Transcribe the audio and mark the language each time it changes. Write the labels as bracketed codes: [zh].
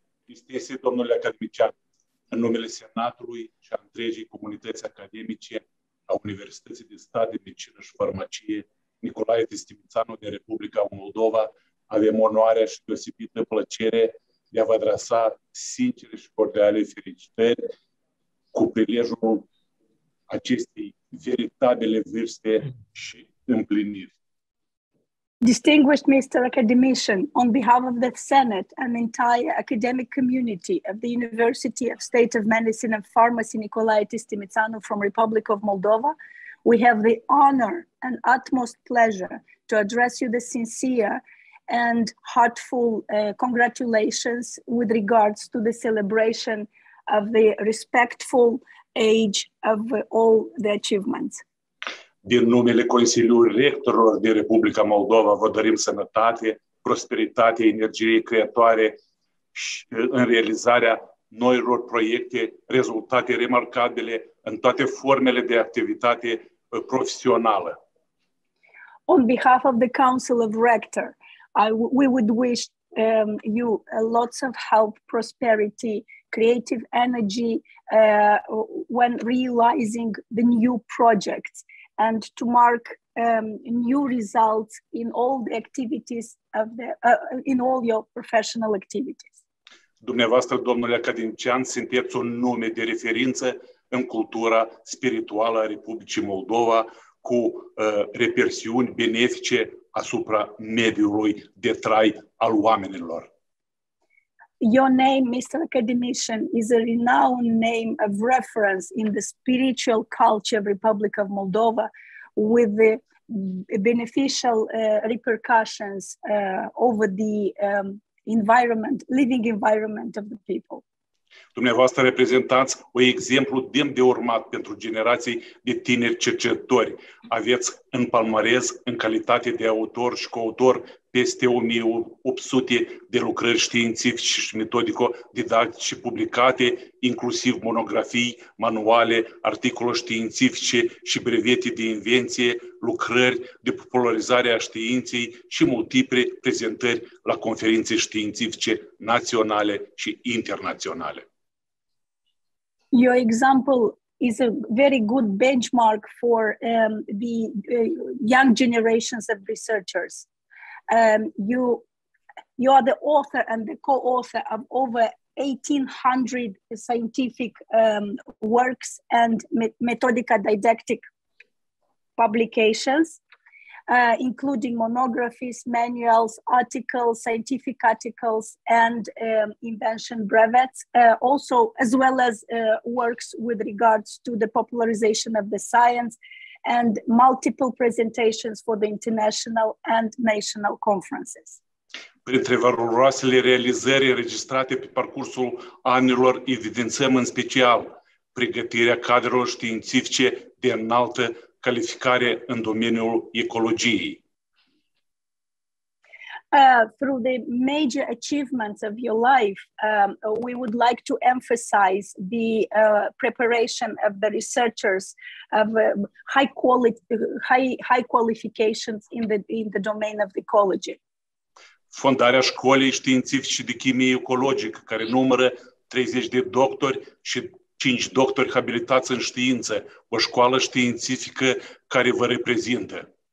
[ro] Distinsi, domnule academician, în numele Senatului și a întregii comunități academice a Universității de Stat de Medicină și Farmacie Nicolae Tistimițanu din Republica Moldova, avem onoarea și deosebită plăcere de a vă adresa sincere și cordiale felicitări cu prilejul acestei veritabile vârste și împliniri. [en] Distinguished Mr. Academician, on behalf of the Senate and the entire academic community of the University of State of Medicine and Pharmacy Nicolae Tistimițanu from Republic of Moldova, we have the honor and utmost pleasure to address you the sincere and heartful congratulations with regards to the celebration of the respectful age of all the achievements. [ro] Din numele Consiliului Rectorilor din Republica Moldova, vă dorim sănătate, prosperitate, energie creatoare și în realizarea noilor proiecte, rezultate remarcabile în toate formele de activitate profesională. [en] On behalf of the Council of Rector, we would wish you lots of health, prosperity, creative energy when realizing the new projects and to mark new results in all the activities of the in all your professional activities. [ro] Dumneavoastră, domnule academician, sunteți un nume de referință în cultura spirituală a Republicii Moldova cu repercusiuni benefice asupra mediului de trai al oamenilor. [en] Your name, Mr. Academician, is a renowned name of reference in the spiritual culture of Republic of Moldova with the beneficial repercussions over the environment, living environment of the people. [ro] Dumneavoastră reprezentați un exemplu demn de urmat pentru generații de tineri cercetători. Aveți în palmarez, în calitate de autor și coautor, peste 1800 de lucrări științifice și metodico-didactice publicate, inclusiv monografii, manuale, articole științifice și brevete de invenție, lucrări de popularizare a științei și multiple prezentări la conferințe științifice naționale și internaționale. [en] Your example is a very good benchmark for the young generations of researchers. You are the author and the co-author of over 1,800 scientific works and methodical didactic publications, including monographies, manuals, articles, scientific articles, and invention brevets, also as well as works with regards to the popularization of the science, and multiple presentations for the international and national conferences. [ro] Printre valoroasele realizări înregistrate pe parcursul anilor evidențăm în special pregătirea cadrelor științifice de înaltă calificare în domeniul ecologiei. [en] Through the major achievements of your life, we would like to emphasize the preparation of the researchers of high qualifications in the domain of ecology. [ro] Fondarea școlii științifice de chimie ecologică, care numără 30 de doctori și 5 doctori habilitați în știință, o școală științifică care vă reprezintă.